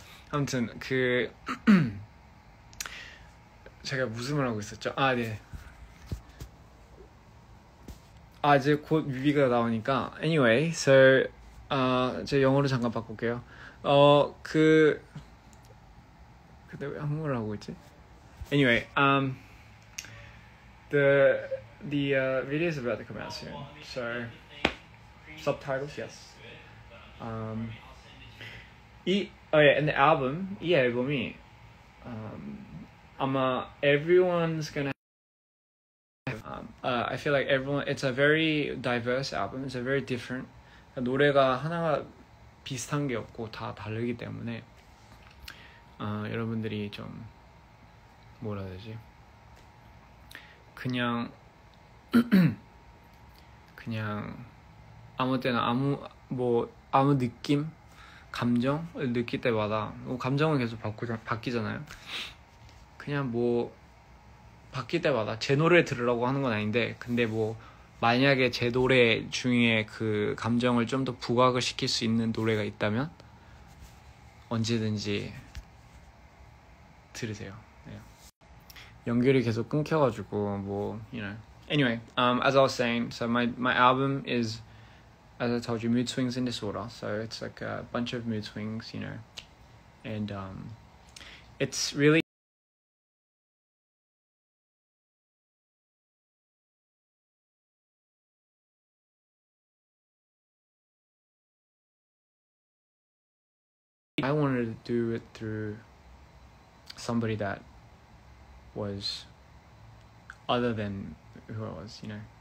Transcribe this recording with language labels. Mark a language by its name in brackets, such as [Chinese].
[Korean] 아무튼, 그, 제가 무슨 말 하고 있었죠? 아, 네. 아, 이제 곧 뮤비가 나오니까, anyway, so, 제 영어로 잠깐 바꿀게요. 근데 왜 한국말 하고 있지? [English] Anyway, the video is about to come out soon. So, subtitles, yes. And the album, [Korean] 이 앨범이, [English] everyone's gonna have, I feel like everyone, it's a very diverse album, it's a very different. [Korean] 노래가 하나가 비슷한 게 없고 다 다르기 때문에, 여러분들이 좀, 뭐라 해야 되지? 그냥 아무 때나 아무 느낌, 감정을 느낄 때마다 감정은 계속 바뀌잖아요. 그냥 뭐 바뀔 때마다 제 노래 들으라고 하는 건 아닌데, 근데 뭐 만약에 제 노래 중에 그 감정을 좀 더 부각을 시킬 수 있는 노래가 있다면 언제든지 들으세요. 연결이 계속 끊겨가지고 뭐, you know. [English] Anyway, as I was saying, so my album is, as I told you, Mood Swings and Disorder. So it's like a bunch of mood swings, you know. And it's really I wanted to do it through somebody that was other than who I was, you know.